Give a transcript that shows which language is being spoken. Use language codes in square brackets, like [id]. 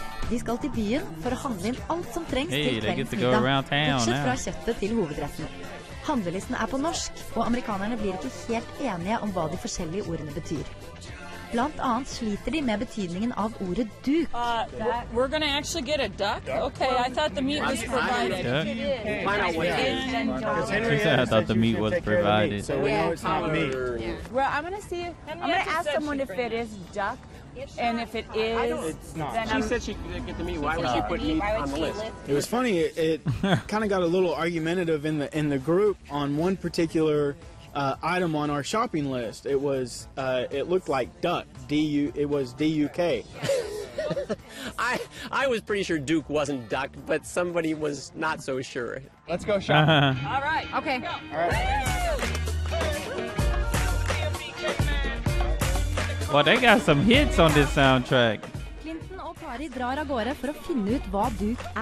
[no] De skal til byen for å handle inn alt som trengs til kveldsmiddag, bortsett fra kjøttet til hovedretten. Handlelisten på norsk, og amerikanerne blir ikke helt enige om hva de forskjellige ordene betyr. Blant annet sliter de med betydningen av ordet duk. [en] We're gonna actually get a duck? Okay, I thought the meat was provided. She said I thought the meat was provided. So we know it's not meat. Well, I'm gonna see. I'm gonna ask someone if it is duck. And if it is, then she said she could get the meat. Why would she put meat on the list? It was funny. It kind of got a little argumentative in the group on one particular item on our shopping list. It was it looked like duck. It was D-U-K. I was pretty sure Duke wasn't duck, but somebody was not so sure. Let's go shopping. Uh-huh. All right. Okay. All right. Well, they got some hits on this soundtrack. [no] Clinton og Kari drar av gårde for å finne ut hva duk